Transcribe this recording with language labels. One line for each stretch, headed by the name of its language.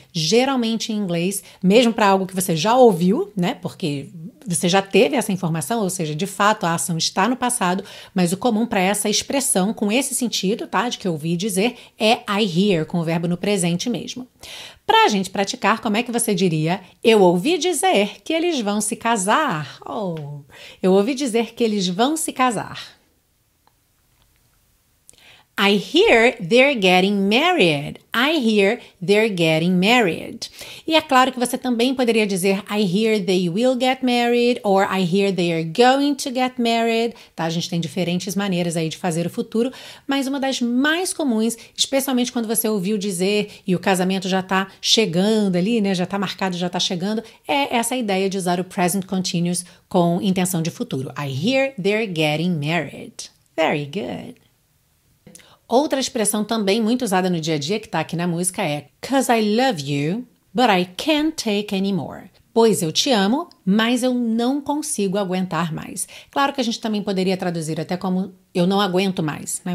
Portuguese: Geralmente em inglês, mesmo para algo que você já ouviu, né, porque você já teve essa informação, ou seja, de fato a ação está no passado, mas o comum para essa expressão com esse sentido, tá, de que eu ouvi dizer, é
English: I hear,
Portuguese: com o verbo no presente mesmo. Para a gente praticar, como é que você diria, eu ouvi dizer que eles vão se casar? Oh, eu ouvi dizer que eles vão se casar.
English: I hear they're getting married. I hear they're getting married.
Portuguese: E é claro que você também poderia dizer
English: I hear they will get married or I hear they are going to get married.
Portuguese: Tá? A gente tem diferentes maneiras aí de fazer o futuro, mas uma das mais comuns, especialmente quando você ouviu dizer e o casamento já tá chegando ali, né? Já tá marcado, já tá chegando, é essa ideia de usar o present continuous com intenção de futuro.
English: I hear they're getting married. Very good.
Portuguese: Outra expressão também muito usada no dia a dia que está aqui na música é
English: 'cause I love you, but I can't take anymore.
Portuguese: Pois eu te amo, mas eu não consigo aguentar mais. Claro que a gente também poderia traduzir até como eu não aguento mais, né?